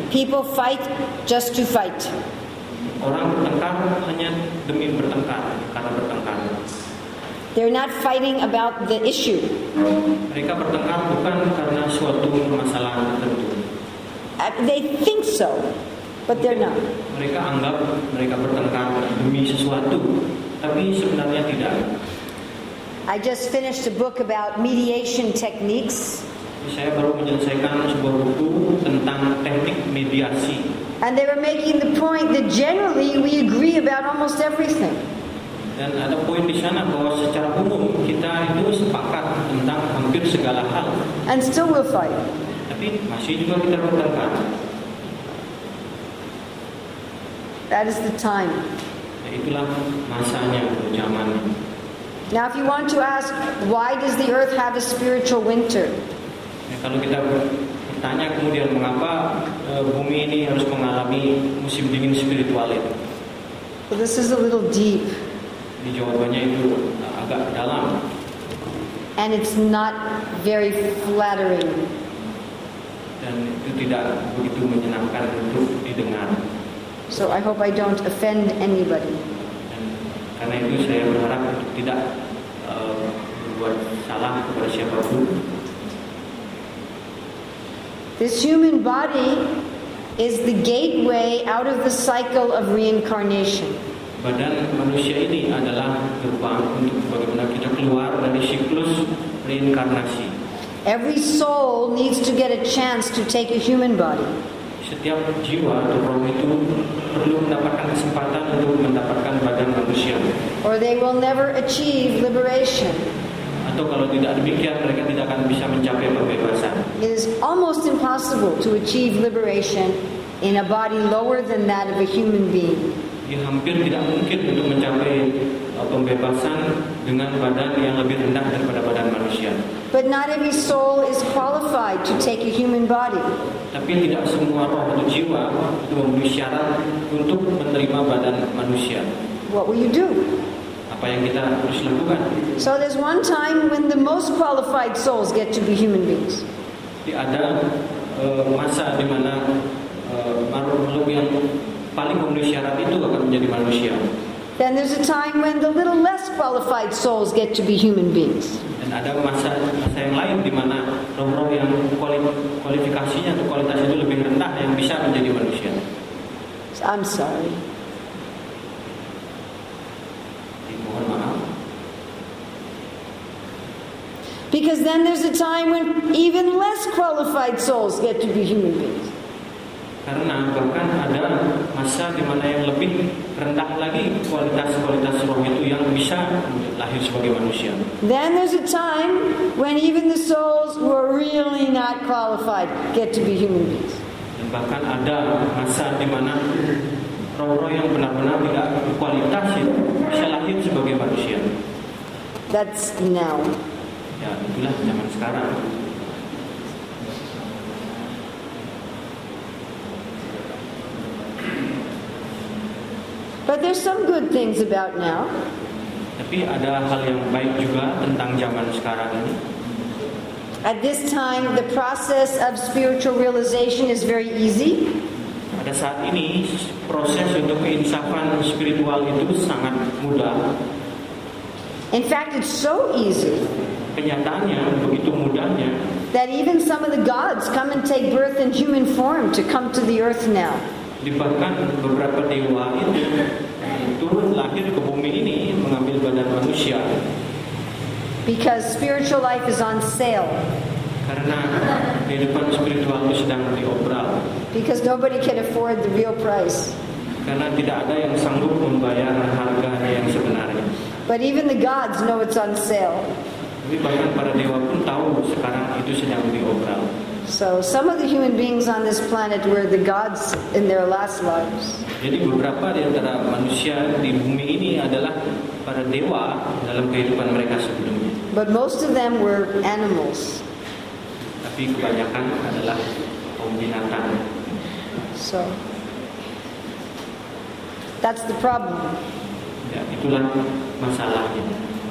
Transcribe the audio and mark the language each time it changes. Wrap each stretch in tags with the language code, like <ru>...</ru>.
<en>people fight just to fight.</en> <id>Orang bertengkar hanya demi bertengkar, karena bertengkar.</id> <en>They're not fighting about the issue.</en> <id>Mereka bertengkar bukan karena suatu masalah tertentu.</id> <en>They think so, but they're not.</en> <id>Mereka anggap mereka bertengkar demi sesuatu, tapi sebenarnya tidak.</id> <en>I just finished a book about mediation techniques.</en> <id>Saya baru menyelesaikan sebuah buku tentang teknik mediasi.</id> <en>And they were making the point that generally we agree about almost everything.</en> <id>Dan ada poin di sana bahwa secara umum kita itu sepakat tentang hampir segala hal.</id> <en>And still we'll fight.</en> <id>Tapi masih juga kita bertengkar.</id> <en>That is the time.</en> <id>Itulah masanya, zamannya.</id> <en>Now, if you want to ask, why does the earth have a spiritual winter?</en> <id>Kalau kita bertanya kemudian mengapa bumi ini harus mengalami musim dingin spiritual itu?</id> <en>Well, this is a little deep.</en> <id>Ini jawabannya itu agak dalam.</id> <en>And it's not very flattering.</en> <id>Dan itu tidak begitu menyenangkan untuk didengar.</id> <en>So I hope I don't offend anybody.</en> <id>Karena itu saya berharap untuk tidak berbuat salah kepada siapapun.</id> <en>This human body is the gateway out of the cycle of reincarnation.</en> <id>Badan manusia ini adalah gerbang untuk bagaimana kita keluar dari siklus reinkarnasi.</id> <en>Every soul needs to get a chance to take a human body.</en> <id>Setiap jiwa atau roh itu perlu mendapatkan kesempatan untuk mendapatkan badan manusia.</id> <en>Or they will never achieve liberation.</en> <id>Atau kalau tidak demikian, mereka tidak akan bisa mencapai pembebasan.</id> <en>It is almost impossible to achieve liberation in a body lower than that of a human being.</en> <id>Ya, hampir tidak mungkin untuk mencapai pembebasan dengan badan yang lebih rendah daripada badan manusia.</id> <en>But not every soul is qualified to take a human body.</en> <id>Tapi tidak semua roh atau jiwa itu memenuhi syarat untuk menerima badan manusia.</id> <en>What will you do?</en> <id>Apa yang kita harus lakukan?</id> <en>So there's one time when the most qualified souls get to be human beings.</en> <id>Di ada masa di mana makhluk yang paling memenuhi syarat itu akan menjadi manusia.</id> <en>Then there's a time when the little less qualified souls get to be human beings.</en> <id>Dan ada masa yang lain di mana roh-roh yang kualifikasinya atau kualitasnya itu lebih rendah yang bisa menjadi manusia.</id> <en>I'm sorry. Because then there's a time when even less qualified souls get to be human beings.</en> <id>Karena bahkan ada masa di mana yang lebih rendah lagi kualitas-kualitas roh itu yang bisa lahir sebagai manusia.</id> <en>Then there's a time when even the souls who are really not qualified get to be human beings.</en> <id>Dan bahkan ada masa di mana roh-roh yang benar-benar tidak berkualitas itu bisa lahir sebagai manusia.</id> <en>That's now.</en> <id>Ya, itulah zaman sekarang.</id> <en>But there's some good things about now.</en> <id>Tapi ada hal yang baik juga tentang zaman sekarang ini.</id> <en>At this time, the process of spiritual realization is very easy.</en> <id>Pada saat ini, proses untuk keinsafan spiritual itu sangat mudah.</id> <en>In fact, it's so easy.</en> <id>Kenyataannya begitu mudahnya.</id> <en>That even some of the gods come and take birth in human form to come to the earth now.</en> <id>Bahkan beberapa dewa itu turun lahir ke bumi ini mengambil badan manusia.</id> <en>Because spiritual life is on sale.</en> <id>Karena kehidupan spiritual itu sedang dioperal.</id> <en>Because nobody can afford the real price.</en> <id>Karena tidak ada yang sanggup membayar harga yang sebenarnya.</id> <en>But even the gods know it's on sale.</en> <id>Tapi bahkan para dewa pun tahu sekarang itu sedang dioperal.</id> <en>So some of the human beings on this planet were the gods in their last lives.</en> <id>Jadi beberapa di antara manusia di bumi ini adalah para dewa dalam kehidupan mereka sebelumnya.</id> <en>But most of them were animals.</en> <id>Tapi kebanyakan adalah kaum binatang.</id> <en>So that's the problem.</en> <id>Ya, itulah masalahnya.</id>